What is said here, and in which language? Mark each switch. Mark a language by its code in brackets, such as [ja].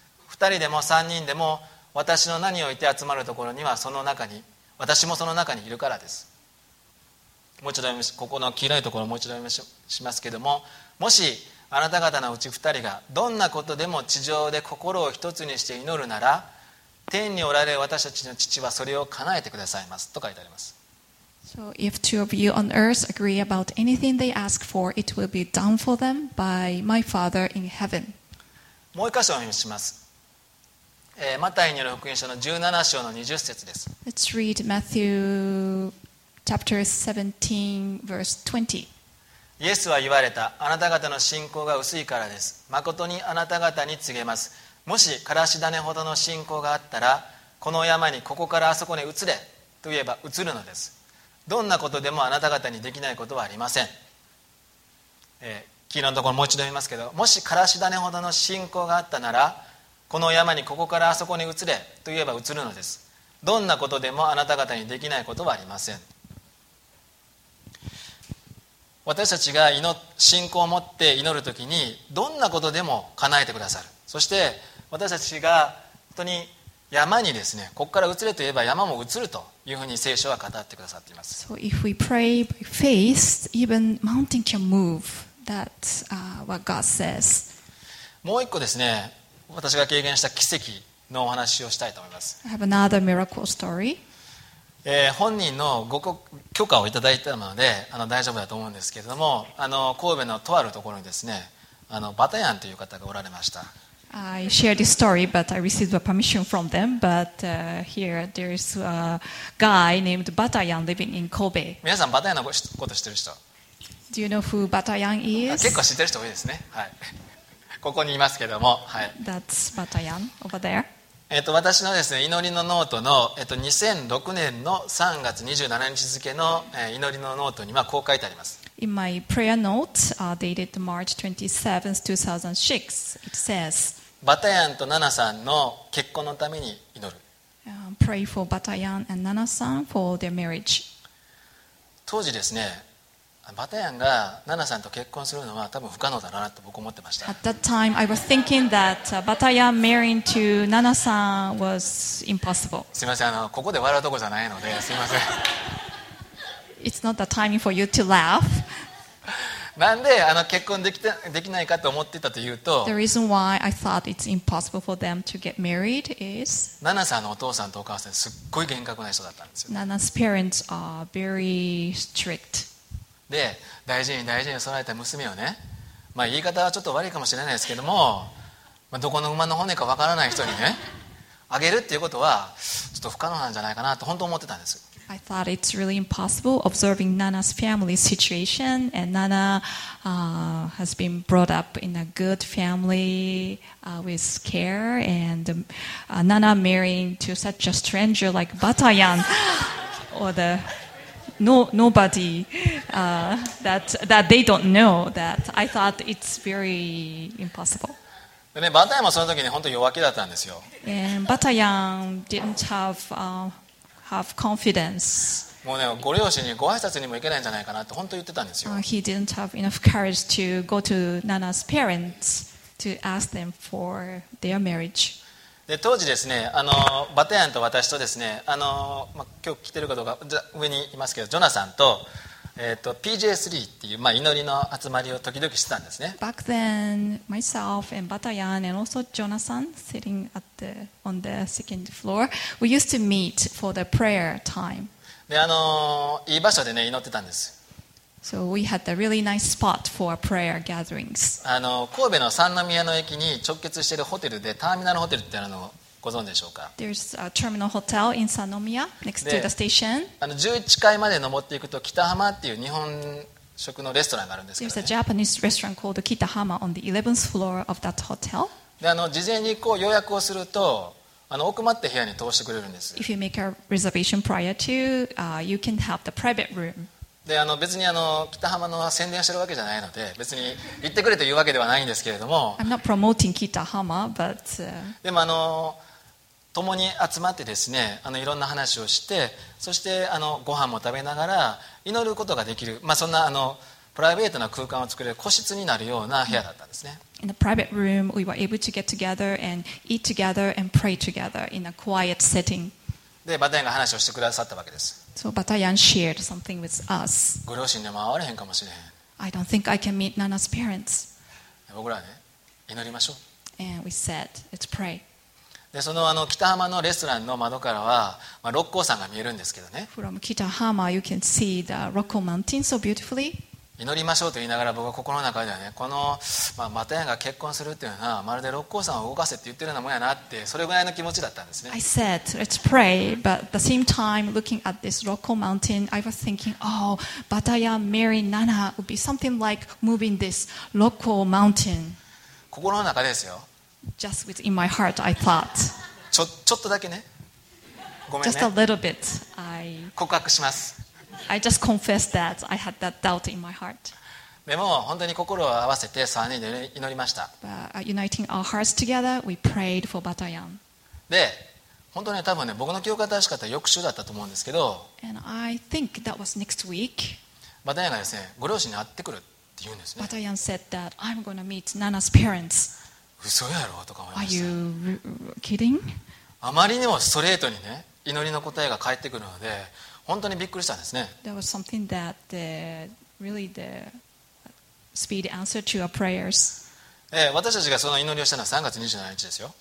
[ja] 二人でも三人でも私の名において集まるところにはその中に私もその中にいるからです。もう一度読みます。ここの黄色いところをもう一度読みしますけれども、もしあなた方のうち二人がどんなことでも地上で心を一つにして祈るなら天におられる私たちの父はそれを叶えてくださいますと書いてあります。 [en] So if two of you on earth agree about anything they ask for, it will be done for them by my Father in heaven. [ja] もう一箇所お読みします。マタイによる福音書の17章の20節です。 [en] Let's read Matthew chapter 17 verse 20。 [ja] イエスは言われた。あなた方の信仰が薄いからです。まことにあなた方に告げます。もしからし種ほどの信仰があったら、この山にここからあそこに移れと言えば移るのです。どんなことでもあなた方にできないことはありません。黄色のところもう一度言いますけど、もしからし種ほどの信仰があったなら、この山にここからあそこに移れと言えば移るのです。どんなことでもあなた方にできないことはありません。私たちが信仰を持って祈るときに、どんなことでも叶えてくださる。そして私たちが本当に山にですね、ここから移れと言えば山も移るというふうに聖書は語ってくださっています。 [en] So if we pray by faith, even mountain can move. That's what God says. [ja] もう一個ですね、私が経験した奇跡のお話をしたいと思います。 [en] I have another miracle story. [ja] 本人のご許可をいただいたので、大丈夫だと思うんですけれども、神戸のとあるところにですね、バタヤンという方がおられました。 [en] I shared this story, but I received a permission from them. But here, there is a guy named Batayan living in Kobe. [ja] 皆さん、バタヤンのこと知ってる人？ [en] Do you know who Batayan is? [ja] 結構知ってる人多いですね。はい、ここにいますけども、はい。 [en] That's Batayan over there. [ja] 私のですね、祈りのノートの2006年の3月27日付の祈りのノートにはこう書いてあります。 [en] In my prayer note, dated March 27th, 2006, it says, [ja] バタヤンとナナさんの結婚のために祈る。 [en] Pray for Batayan and Nana-san for their marriage. [ja] 当時ですね、バタヤンがナナさんと結婚するのは多分不可能だなと僕思ってました。 [en] At that time, I was thinking that Batayan marrying to Nana-san was impossible. [ja] すみません、ここで笑うとこじゃないので、すみません。 [en] It's not the timing for you to laugh. [ja] なんで結婚できないかと思ってたというと、 [en] The reason why I thought it's impossible for them to get married is、 [ja] ナナさんのお父さんとお母さんすっごい厳格な人だったんですよ。 [en] Nana's parents are very strict. [ja] で、大事に大事に育てた娘をね、まあ言い方はちょっと悪いかもしれないですけども、まあ、どこの馬の骨かわからない人にね、あげるっていうことはちょっと不可能なんじゃないかなと本当思ってたんです。 [en] I thought it's really impossible observing Nana's family situation and Nana has been brought up in a good family with care and Nana marrying to such a stranger like Batayan or the nobody that they don't know that I thought it's very impossible. [ja] でね、バタヤンもその時に本当に弱気だったんですよ。 [en] バタヤン didn't have confidence. [ja] もうね、ご両親にご挨拶にも行けないんじゃないかなって本当に言ってたんですよ。 [en] He didn't have enough courage to go to Nana's parents to ask them for their marriage. [ja] で、当時ですね、バタヤンと私とですね、まあ、今日来てるかどうか上にいますけど、ジョナサンと、PJ3 っていう、まあ、祈りの集まりを時々してたんですね。 [en] Back then, myself and Batayan and also Jonathan sitting at the, on the second floor, we used to meet for the prayer time. [ja] で、いい場所でね、祈ってたんです。 [en] So we had a really nice spot for prayer gatherings. [ja] 神戸の三宮の駅に直結しているホテルで、ターミナルホテルってあるのをご存知でしょうか。 [en] There's a terminal hotel in Sanomiya next to the station. [ja] 11階まで登っていくと北浜っていう日本食のレストランがあるんですけど、ね。 [en] There's a Japanese restaurant called Kitahama on the 11th floor of that hotel. [ja] で、事前にこう予約をすると、奥まった部屋に通してくれるんです。 [en] If you make a reservation prior to, you can have the private room. [ja] で、別に北浜の宣伝してるわけじゃないので、別に行ってくれというわけではないんですけれども。 [en] I'm not promoting Kitahama, but. [ja] でも共に集まってですね、いろんな話をして、そしてご飯も食べながら祈ることができる、まあ、そんなプライベートな空間を作れる個室になるような部屋だったんですね。 [en] In a private room, we were able to get together and eat together and pray together in a quiet setting. [ja] で、バタヤンが話をしてくださったわけです。 [en] So Batayan shared something with us. [ja] ご両親にも会われへんかもしれへん。 [en] I don't think I can meet Nana's parents. [ja] 僕らはね、祈りましょう。 [en] And we said, let's pray. [ja] で、その北浜のレストランの窓からは、まあ、六甲山が見えるんですけどね。 [en] From Kitahama, you can see the Rokko Mountain so beautifully. [ja] 祈りましょうと言いながら、僕は心の中ではね、この、まあ、マタヤンが結婚するっていうのは、まるで六甲山を動かせって言ってるようなもんやなって、それぐらいの気持ちだったんですね。 [en] I said, let's pray, but at the same time, looking at this Rokko Mountain, I was thinking, oh, Batayan marrying Nana would be something like moving this Rokko Mountain. [ja] 心の中ですよ。 [en] Just with in my heart, I thought. [ja] ちょっとだけね。ごめんね。 [en] Just a little bit. I [ja] 告白します。 [en] I just confessed that I had that doubt in my heart. [ja] でも本当に心を合わせて3人で祈りました。 [en] Uniting our hearts together, we prayed for Batayan. [ja] で、本当に多分ね、僕の記憶が正しかったら翌週だったと思うんですけど。 [en] And I think that was next week. [ja] バタヤンがですね、ご両親に会ってくるって言うんですね。 [en] Batayan said that I'm going to meet Nana's parents. [ja] 嘘やろとか思いました。 [en] Are you kidding? [ja] あまりにもストレートにね、祈りの答えが返ってくるので、本当にびっくりしたんですね。 [en] There was something that the, really the speed answer to our prayers. [ja] 私たちがその祈りをしたのは3月27日ですよ。